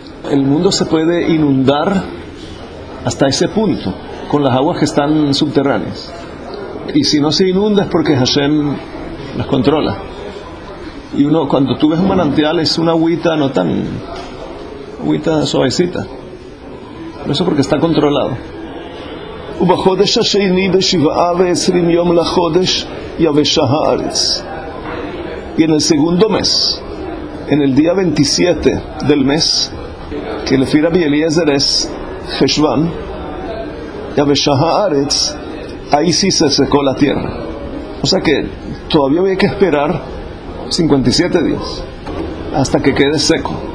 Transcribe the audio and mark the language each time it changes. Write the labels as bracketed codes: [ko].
[es] El mundo se puede inundar hasta ese punto con las aguas que están subterráneas, y si no se inunda es porque Hashem las controla. Y uno, cuando tú ves un manantial, es una agüita, no tan agüita suavecita, pero eso porque está controlado. [he] ובחודש השני בשבעה ועשרים יום לחודש יבשה הארץ. [es] Y en el segundo mes, en el día 27 del mes, que lefi Rabbi Eliezer es Heshvan, [he] yavesha haaretz, [es] ahí sí se secó la tierra. O sea que todavía había que esperar 57 días hasta que quede seco.